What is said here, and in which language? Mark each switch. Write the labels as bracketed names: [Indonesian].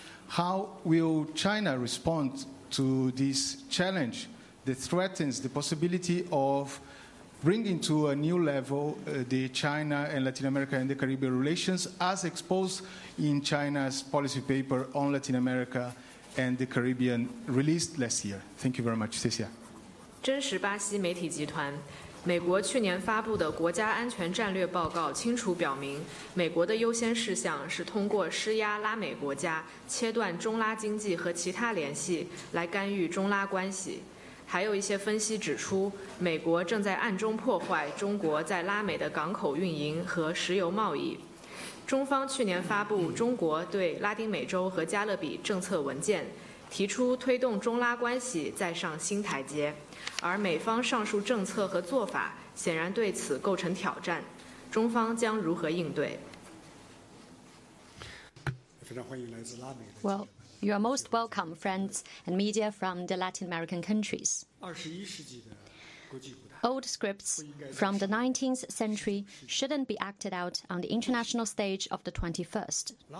[English] How will China respond to this challenge that threatens the possibility of bringing to a new level the China and Latin America and the Caribbean relations as exposed in China's policy paper on Latin America and the Caribbean released last year? Thank you very much. [Chinese] 谢谢。真实巴西媒体集团。美国去年发布的国家安全战略报告清楚表明，美国的优先事项是通过施压拉美国家，切断中拉经济和其他联系，来干预中拉关系。还有一些分析指出，美国正在暗中破坏中国在拉美的港口运营和石油贸易。中方去年发布中国对拉丁美洲和加勒比政策文件，提出推动中拉关系再上新台阶，而美方上述政策和做法显然对此构成挑战，中方将如何应对？非常欢迎来自拉美。 [English] Well, you are most welcome, friends and media from the Latin American countries. [Chinese] 二十一世纪的国际舞台。 [English] Old scripts from the 19th century shouldn't be acted out on the international stage of the 21st.